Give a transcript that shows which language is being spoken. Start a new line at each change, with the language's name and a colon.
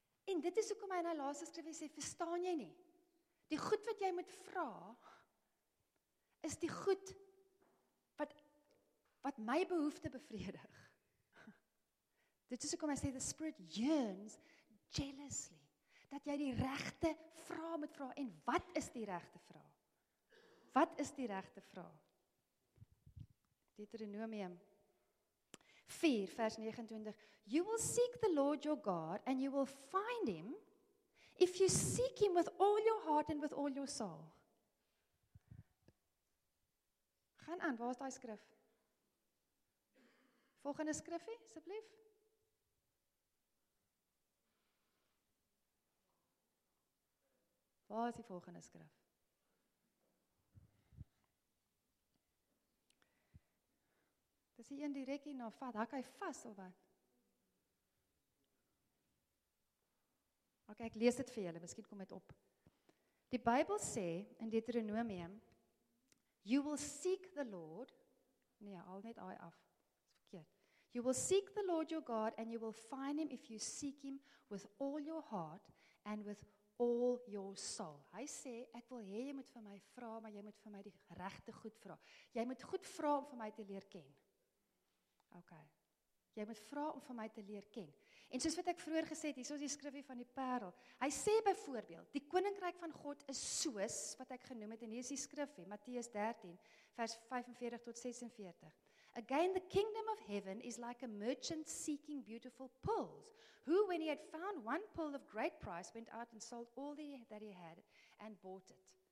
Afrikaans: En dit is hoekom hy in hy laaste skrif sê, verstaan jy nie? Die goed wat jy moet vra, is die goed wat my behoefte bevredig. Dit is hoekom hy sê,
English: the spirit yearns jealously,
Afrikaans: dat jy die regte vraag moet vra. En wat is die regte vraag? Wat is die regte vraag? Deuteronomium 4 vers 29,
English: you will seek the Lord your God and you will find him if you seek him with all your heart and with all your soul.
Afrikaans: Gaan aan, waar is die skrif? Volgende skrifie, asseblief. Waar is die volgende skrif? Dis die een direk hier na vat, hak hy vas of wat? Ok, ek lees dit vir julle, miskien kom dit op. Die Bybel sê in Deuteronomium,
English: you will seek the Lord,
Afrikaans: nee, al net aai af, is verkeerd.
English: You will seek the Lord your God and you will find him if you seek him with all your heart and with all your soul.
Afrikaans: Hy sê, ek wil hê jy moet vir my vra, maar jy moet vir my die regte goed vra. Jy moet goed vra om vir my te leer ken. Ok, jy moet vra om van my te leer ken. En soos wat ek vroeger gesê het, hier is die skrifie van die parel. Hy sê byvoorbeeld, die koninkryk van God is soos, wat ek genoem het, en hier is die skrifie, Matteus 13, vers 45 tot 46.
English: Again, the kingdom of heaven is like a merchant seeking beautiful pearls, who when he had found one pearl of great price, went out and sold all that he had and bought it.